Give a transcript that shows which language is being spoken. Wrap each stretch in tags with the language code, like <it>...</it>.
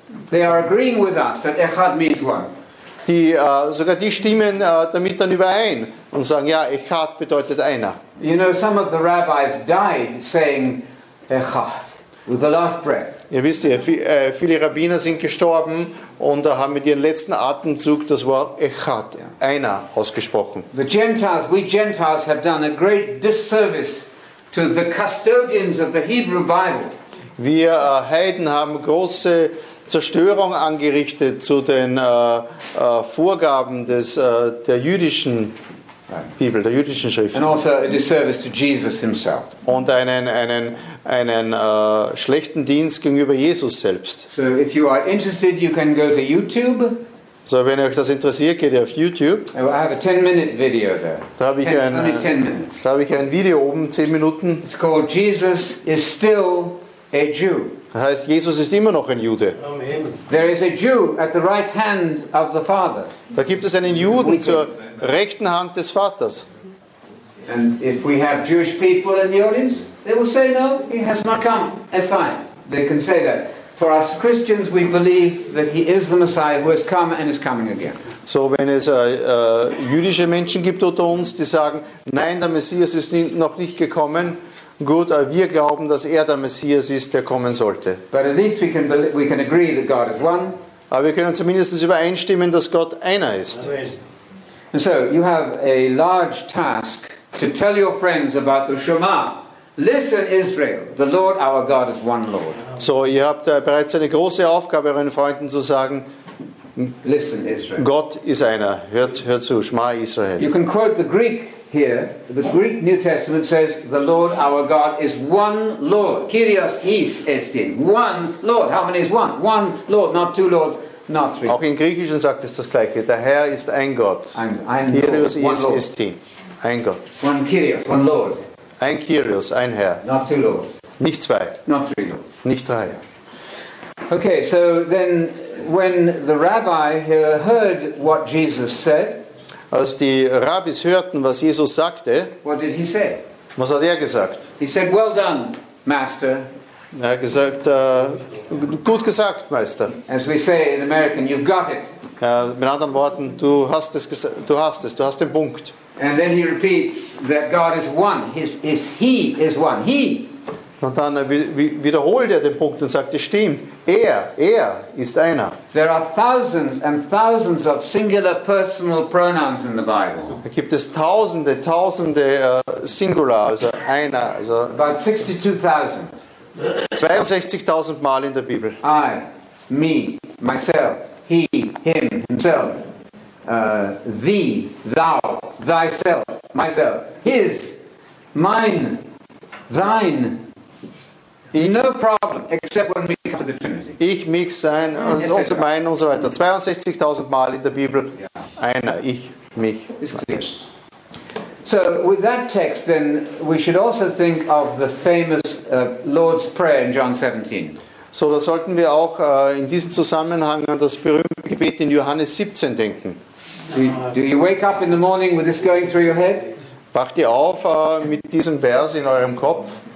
<en>They are agreeing with us that Echad means one.</en> <de>Die sogar die stimmen damit dann überein und sagen, ja, Echad bedeutet einer.</de> <en>You know, some of the rabbis died saying Echad with the last breath.</en> <de>Ihr wisst ja, viele Rabbiner sind gestorben und haben mit ihrem letzten Atemzug das Wort Echad, einer, ausgesprochen.</de> <en>The Gentiles, we Gentiles have done a great disservice to the custodians of the Hebrew Bible.</en> <de>Wir Heiden haben große Zerstörung angerichtet zu den Vorgaben des der jüdischen Bibel, der jüdischen Schrift.</de> <en>And also a disservice to Jesus himself.</en> <de>Und einen schlechten Dienst gegenüber Jesus selbst.</de> <en>So if you are interested, you can go to YouTube.</en> <de>So, wenn euch das interessiert, geht ihr auf YouTube.</de> <en>I have a 10-minute video there.</en> <de>Da habe ich ein Video oben, 10 Minuten.</de> <en>It's called Jesus is still a Jew.</en> <de>Das heißt, Jesus ist immer noch ein Jude.</de> <en>Amen. There is a Jew at the right hand of the Father.</en> <de>Da gibt es einen Juden zur rechten Hand des Vaters.</de> <en>And if we have Jewish people in the audience, they will say, no, he has not come. And fine, they can say that. For us Christians, we believe that he is the Messiah who has come and is coming again.</en> <de>So wenn es jüdische Menschen gibt unter uns, die sagen, nein, der Messias ist noch nicht gekommen, gut, wir glauben, dass er der Messias ist, der kommen sollte.</de> <en>But at least we can agree that God is one.</en> <de>Aber wir können zumindest übereinstimmen, dass Gott einer ist.</de> <en>And so you have a large task to tell your friends about the Shema. Listen, Israel, the Lord our God is one Lord.</en> <de>So ihr habt bereits eine große Aufgabe, euren Freunden zu sagen,</de> <en>listen, Israel.</en> <de>Gott ist einer. Hört zu, Shema Israel.</de> <en>You can quote the Greek here. The Greek New Testament says, the Lord our God is one Lord.</en> <el>Kyrios eis estin.</el> <en>One Lord. How many is one? One Lord, not two Lords, not three.</en> <de>Auch im Griechischen sagt es das Gleiche. Der Herr ist ein Gott.</de> <el>Kyrios eis estin.</el> <de>Ein Gott.</de> <en>One Kyrios, one Lord.</en> <de>Ein Kyrios, ein Herr.</de> <en>Not two Lords.</en> <de>Nicht zwei.</de> <en>Not three Lords.</en> <de>Nicht drei.</de> <en>Okay, so then when the rabbi heard what Jesus said,</en> <de>als die Rabbis hörten, was Jesus sagte,</de> <en>what did he say?</en> <de>Was hat er gesagt?</de> <en>He said, well done, master.</en> <de>Er hat gesagt, gut gesagt, Meister.</de> <en>As we say in American, you've got it.</en> <de>Mit anderen Worten, du hast den Punkt.</de> <en>And then he repeats that God is one. He is one. He.</en> <de>Und dann wiederholt er den Punkt und sagt, es stimmt. Er ist einer.</de> <en>There are thousands and thousands of singular personal pronouns in the Bible.</en> <de>Da gibt es tausende singular, also einer.</de> <en>Also about 62,000.</en> <de>62,000 Mal in der Bibel.</de> <en>I, me, myself, he, him, himself. Thee, thou, thyself, myself, his, mine, thine. Ich, no problem, except when we come to the Trinity.</en> <de>Ich, mich, sein, unser, mein und so weiter. 62,000 Mal in der Bibel. Yeah. Einer, ich, mich.</de> <en>So, with that text, then, we should also think of the famous Lord's Prayer in John 17.</en> <de>So, da sollten wir auch in diesem Zusammenhang an das berühmte Gebet in Johannes 17 denken.</de> <en>Do you wake up in the morning with this going through your head?</en> <de>Wacht ihr auf mit diesem Vers in eurem Kopf?</de>